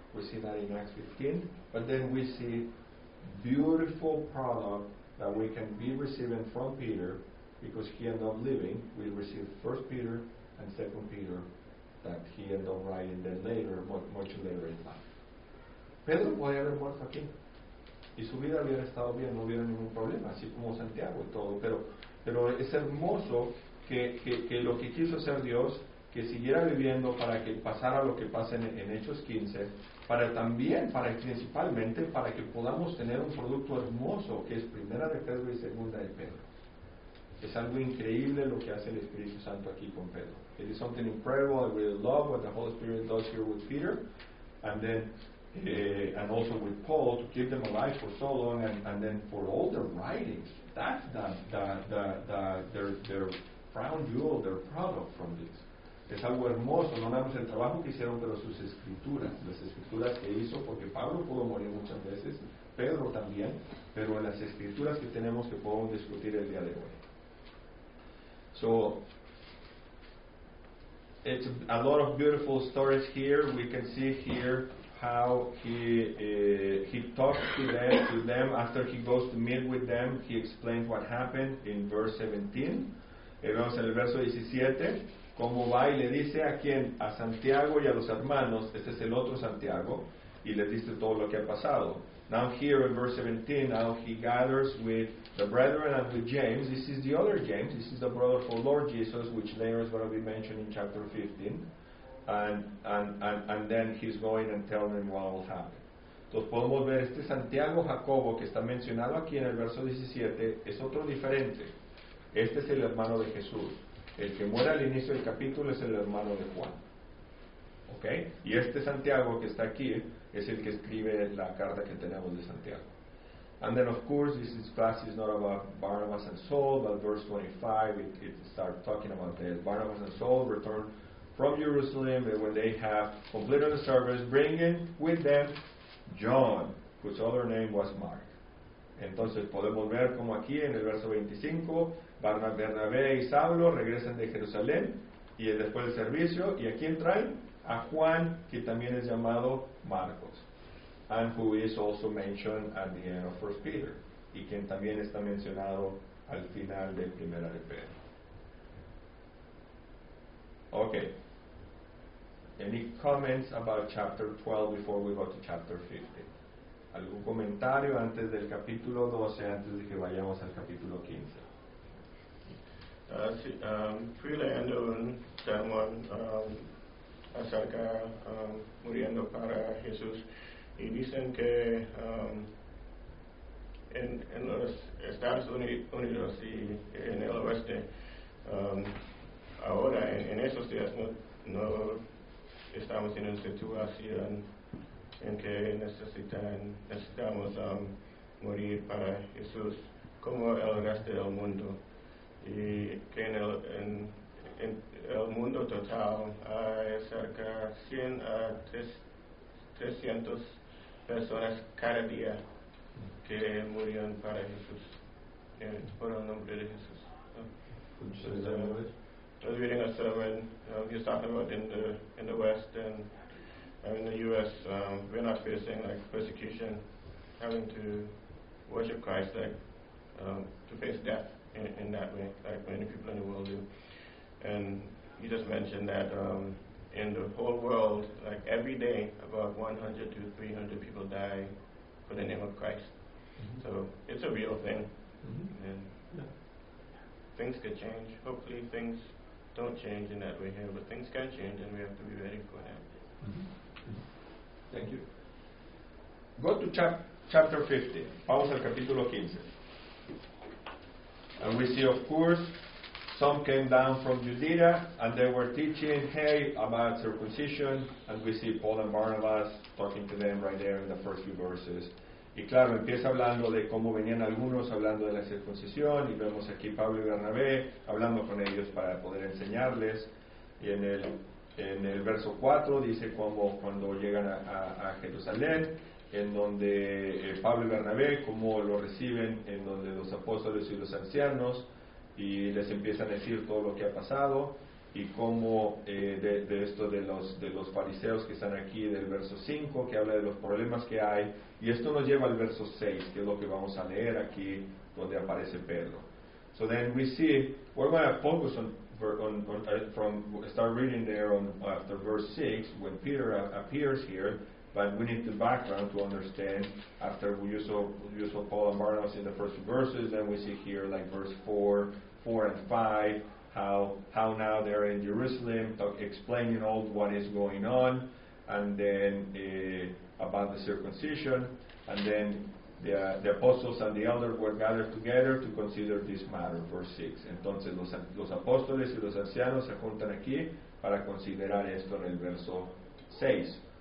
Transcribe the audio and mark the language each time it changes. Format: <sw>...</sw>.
<en>We see that in Acts 15. But then we see beautiful product that we can be receiving from Peter because he ended up living. We receive 1 Peter and 2 Peter that he ended up writing then later, much later in life.</en> <es>Pedro podría haber muerto aquí. Y su vida hubiera estado bien, no hubiera ningún problema, así como Santiago y todo. Pero es hermoso que lo que quiso hacer Dios, que siguiera viviendo para que pasara lo que pasa en Hechos 15, para también, para principalmente, para que podamos tener un producto hermoso, que es Primera de Pedro y Segunda de Pedro. Es algo increíble lo que hace el Espíritu Santo aquí con Pedro.</es> <en>It is something incredible, I really love what the Holy Spirit does here with Peter. And then, and also with Paul, to keep them alive for so long, and then for all their writings, that's their crown jewel, their product from this.</en> <es>Es algo hermoso, no damos el trabajo que hicieron, pero sus escrituras, las escrituras que hizo, porque Pablo pudo morir muchas veces, Pedro también, pero en las escrituras que tenemos que podemos discutir el día de hoy.</es> <en>So, it's a lot of beautiful stories here. We can see here how he talks to them after he goes to meet with them. He explains what happened in verse 17.</en> <es>Vemos en el verso 17 cómo va y le dice a quién, a Santiago y a los hermanos, este es el otro Santiago, y le dice todo lo que ha pasado.</es> <en>Now here in verse 17, now he gathers with the brethren and with James. This is the other James. This is the brother for Lord Jesus, which later is going to be mentioned in chapter 15. And then he's going and telling them what will happen.</en> <es>Entonces podemos ver este Santiago Jacobo que está mencionado aquí en el verso 17 es otro diferente. Este es el hermano de Jesús. El que muere al inicio del capítulo es el hermano de Juan. ¿Okay? Y este Santiago que está aquí es el que escribe la carta que tenemos de Santiago.</es> <en>And then of course this is class is not about Barnabas and Saul, but verse 25 it starts talking about that. Barnabas and Saul return from Jerusalem, and when they have completed the service, bringing with them John, whose other name was Mark.</en> <es>Entonces podemos ver como aquí en el verso 25, Bernabé y Saulo regresan de Jerusalén, y después del servicio, y aquí traen a Juan, que también es llamado Marcos,</es> <en>and who is also mentioned at the end of 1 Peter,</en> <es>y quien también está mencionado al final de Primera de Pedro.</es> <en>Okay. Any comments about chapter 12 before we go to chapter 15?</en> <es>¿Algún comentario antes del capítulo 12, antes de que vayamos al capítulo 15? Fui leyendo un sermón acerca muriendo para Jesús, y dicen que en los Estados Unidos y en el oeste, ahora en esos días no estamos en una situación en que necesitamos morir para Jesús como el resto del mundo, y que en el mundo total hay cerca de 100 a 300 personas cada día que murieron para Jesús, por el nombre de Jesús.</es> <en>I was reading a sermon, he was talking about in the West, and in the U.S., we're not facing like persecution, having to worship Christ, to face death in that way, like many people in the world do. And he just mentioned that in the whole world, like every day, about 100 to 300 people die for the name of Christ. Mm-hmm. So it's a real thing. Mm-hmm. And yeah. Things could change. Hopefully things don't change in that way here, but things can change and we have to be ready for that. Mm-hmm. Thank you. Go to chapter 15.</en> <es>Vamos al capítulo 15.</es> <en>And we see, of course, some came down from Judea and they were teaching, hey, about circumcision, and we see Paul and Barnabas talking to them right there in the first few verses.</en> <es>Y claro, empieza hablando de cómo venían algunos hablando de la circuncisión, y vemos aquí Pablo y Bernabé hablando con ellos para poder enseñarles. Y en el verso 4 dice cómo cuando llegan a Jerusalén, en donde Pablo y Bernabé, cómo lo reciben, en donde los apóstoles y los ancianos, y les empiezan a decir todo lo que ha pasado, y cómo de esto de los fariseos que están aquí, del verso 5, que habla de los problemas que hay, y esto nos lleva al verso 6, que es lo que vamos a leer aquí, donde aparece Pedro.</es> <en>So then we see, we're going to focus after verse 6, when Peter appears here, but we need the background to understand, after we saw Paul and Barnabas in the first verses, then we see here, like verse 4 and 5, how now they're in Jerusalem explaining all what is going on, and then about the circumcision, and then the apostles and the elders were gathered together to consider this matter, verse 6.</en> <es>Entonces los apóstoles y los ancianos se juntan aquí para considerar esto en el verso 6.</es>